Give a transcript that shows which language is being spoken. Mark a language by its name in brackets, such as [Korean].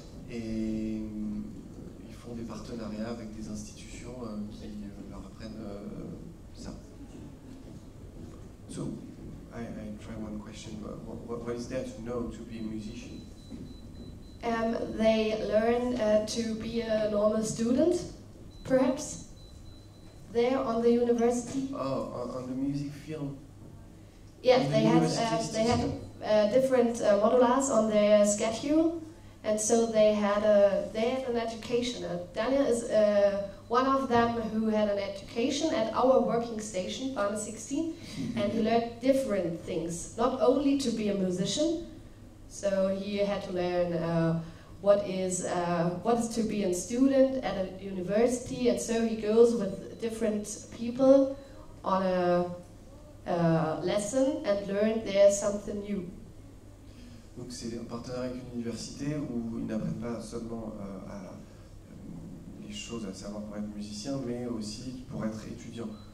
[French] Ils font des partenariats avec des institutions qui leur apprennent ça. [English] So, I try one question, but what is there to know to be a musician? They learn to be a normal student, perhaps, there on the university. Oh, on the music field? Yeah, they had different modulars on their schedule, and so they had an education. Daniel is one of them who had an education at our working station, Bahn 16, and he learned different things, not only to be a musician. So he had to learn what is to be a student at a university, and so he goes with different people on a lesson and learn there something new. [French] Donc c'est un partenariat avec une université où ils n'apprennent pas seulement à les choses à savoir pour être musicien, mais aussi pour être étudiant.